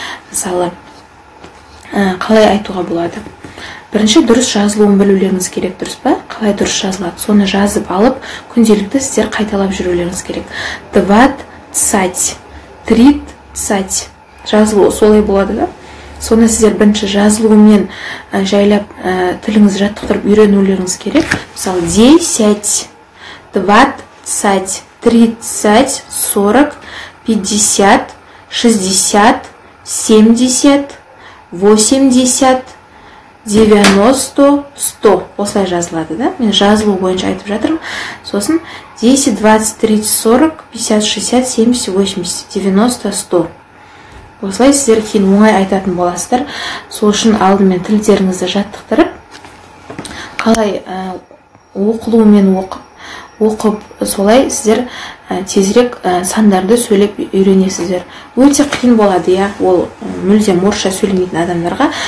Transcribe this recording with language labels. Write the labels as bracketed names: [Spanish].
[Kazakh] Мысалы, қалай айтуға болады? Бірінші, дұрыс жазылуын білулеріңіз керек, дұрыс па? Қалай дұрыс жазылады? Соны жазып алып, күнделікті сіздер қайталап жүрулеріңіз керек. [Russian] Дват цать, трит цать. [Kazakh] Жазылу солай болады да? Соны сіздер бірінші жазылуымен жайлап тіліңіз жаттықтырып үйренулеріңіз керек. [Russian] Мысалы, десять, двадцать, тридцать, сорок, пятьдесят, шестьдесят, семьдесят, восемьдесят, девяносто, сто. [Kazakh] Осылай жазылады, да? Мен жазылу бойынша айтып жатырмын. [Russian] Сосын, десять, двадцать, тридцать, сорок, пятьдесят, шестьдесят, семьдесят, восемьдесят, девяносто, сто. [Kazakh] Осылай сіздер кейін оңай айтатын боласыздар. Сол үшін алдымен тілдеріңізді жаттықтырып, қалай оқылуымен оқып, солай сіздер тезірек сандарды сөйлеп үйренесіздер. Өте қиын болады, я, ол мүлдем орысша сөйлемейтін адамдарға.